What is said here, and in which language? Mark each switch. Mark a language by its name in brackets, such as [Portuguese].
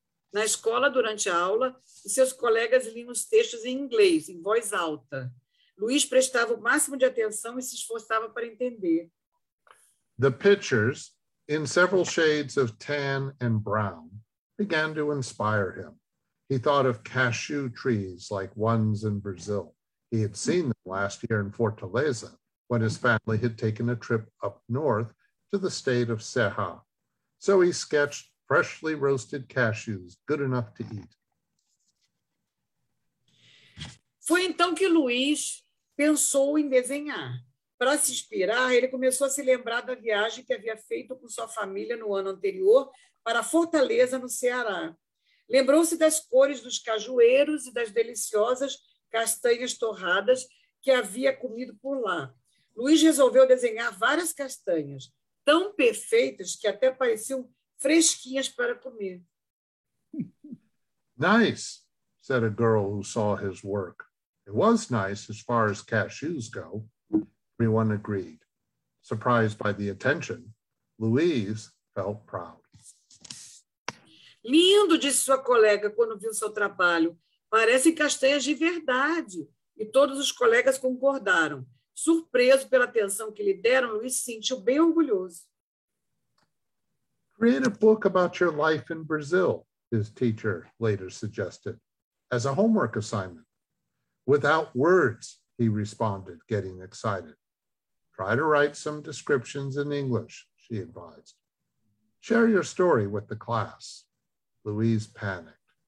[Portuguese] Na escola, durante a aula, seus colegas liam os textos em inglês, em voz alta. Luiz prestava o máximo de atenção e se esforçava para entender. [English] The pictures, in several shades of tan and brown, began to inspire him. He thought of cashew trees like ones in Brazil. He had seen them last year in Fortaleza, when his family had taken a trip up north to the state of Ceará. So he sketched freshly roasted cashews, good enough to eat. [Portuguese] Foi então que Luiz pensou em desenhar. Para se inspirar, ele começou a se lembrar da viagem que havia feito com sua família no ano anterior para Fortaleza, no Ceará. Lembrou-se das cores dos cajueiros e das deliciosas castanhas torradas que havia comido por lá. Luiz resolveu desenhar várias castanhas, tão perfeitas que até pareciam fresquinhas para comer. [English] Nice, said a girl who saw his work. It was nice as far as cashews go. Everyone agreed. Surprised by the attention, Louise felt proud. [Portuguese] Lindo, disse sua colega quando viu seu trabalho. Parecem castanhas de verdade. E todos os colegas concordaram. Surpreso pela atenção que lhe deram, Luiz se sentiu bem orgulhoso. [English] Create a book about your life in Brazil, his teacher later suggested, as a homework assignment. Without words, he responded, getting excited. Try to write some descriptions in English, she advised. Share your story with the class. Luiz panicked.